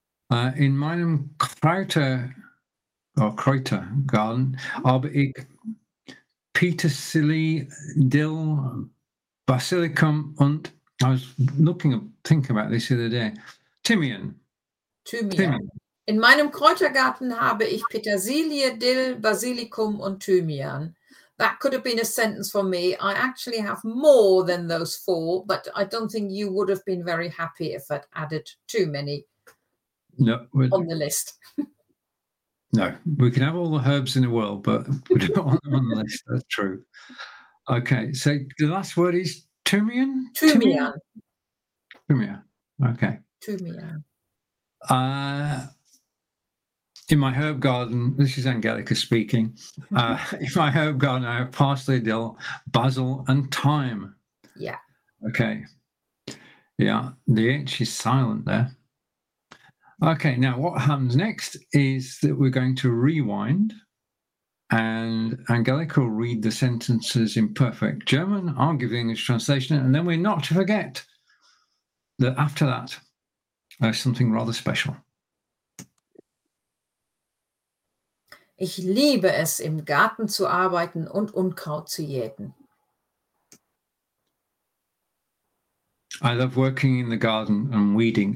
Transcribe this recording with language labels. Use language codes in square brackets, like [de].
[de] In meinem Kräuter, [en] or Kreuter Garden, [de] aber ich Petersilie, Dill, Basilicum, [en] and I was thinking about this the other day. [de] Thymian. In meinem Kräutergarten habe ich Petersilie, Dill, Basilikum und Thymian. [en] That could have been a sentence for me. I actually have more than those four, but I don't think you would have been very happy if I'd added too many on the list. No, we can have all the herbs in the world, but we don't want them on the list. That's true. Okay, so the last word is Thymian? [de] Thymian. Thymian, okay. Thymian. [en] In my herb garden, this is Angelica speaking, in my herb garden I have parsley, dill, basil and thyme. Yeah. Okay. Yeah, the H is silent there. Okay, now what happens next is that we're going to rewind and Angelica will read the sentences in perfect German. I'll give the English translation and then we're not to forget that after that there's something rather special. [de] Ich liebe es, im Garten zu arbeiten und Unkraut zu jäten. [en] I love working in the garden and weeding.